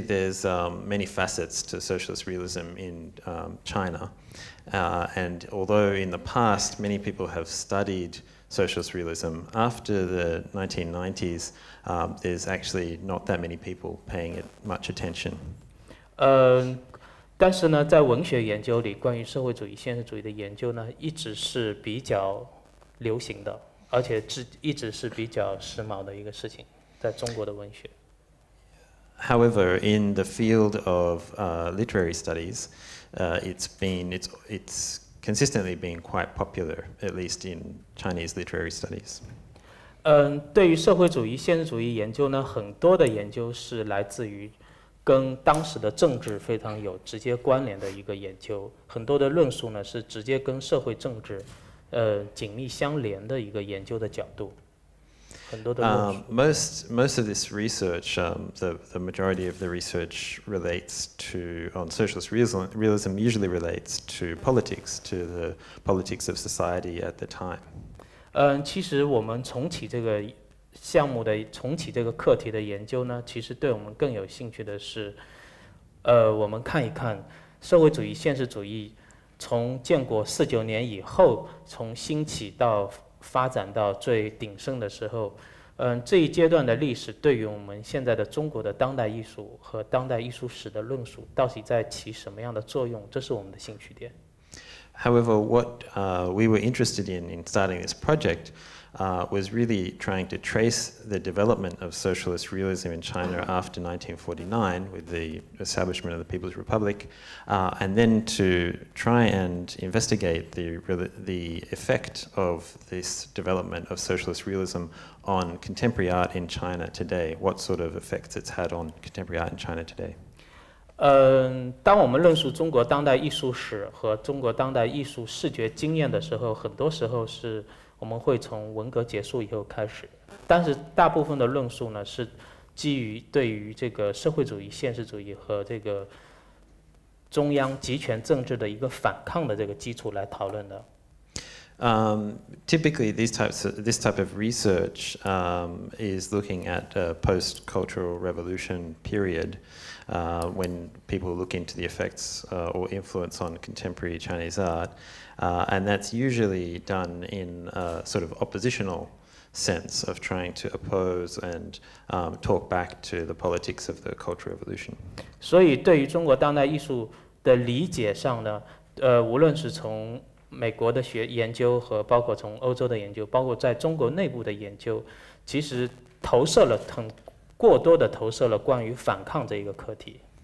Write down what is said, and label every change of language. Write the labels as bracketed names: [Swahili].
[English] there's many facets to socialist realism in China, and although in the past many people have studied socialist realism, after the 1990s. There's actually not that many people paying it much attention. [Chinese] 但是呢，在文学研究里，关于社会主义现实主义的研究呢，一直是比较流行的，而且一直是比较时髦的一个事情，在中国的文学。 [English] However, in the field of literary studies, it's consistently been quite popular, at least in Chinese literary studies. [Chinese] 对于社会主义现实主义研究呢，很多的研究是来自于跟当时的政治非常有直接关联的一个研究，很多的论述呢是直接跟社会政治紧密相连的一个研究的角度。 [English] Most of this research, the majority of the research relates to, on socialist realism usually relates to politics, to the politics of society at the time. [Chinese] 其实我们重启这个项目的重启这个课题的研究呢，其实对我们更有兴趣的是，我们看一看社会主义现实主义从建国四九年以后从兴起到发展到最鼎盛的时候，这一阶段的历史对于我们现在的中国的当代艺术和当代艺术史的论述到底在起什么样的作用，这是我们的兴趣点。 [English] However, what we were interested in starting this project was really trying to trace the development of socialist realism in China after 1949 with the establishment of the People's Republic, and then to try and investigate the effect of this development of socialist realism on contemporary art in China today, what sort of effects it's had on contemporary art in China today. [Chinese] 当我们论述中国当代艺术史和中国当代艺术视觉经验的时候，很多时候是我们会从文革结束以后开始，但是大部分的论述呢是基于对于这个社会主义现实主义和这个中央集权政治的一个反抗的这个基础来讨论的。 [English] Typically, this type of research is looking at a post-cultural revolution period when people look into the effects or influence on contemporary Chinese art. And that's usually done in a sort of oppositional sense of trying to oppose and talk back to the politics of the Cultural Revolution. [Chinese] 所以对于中国当代艺术的理解上呢，无论是从美国的学研究和包括从欧洲的研究，包括在中国内部的研究，其实投射了很过多的投射了关于反抗这一个课题。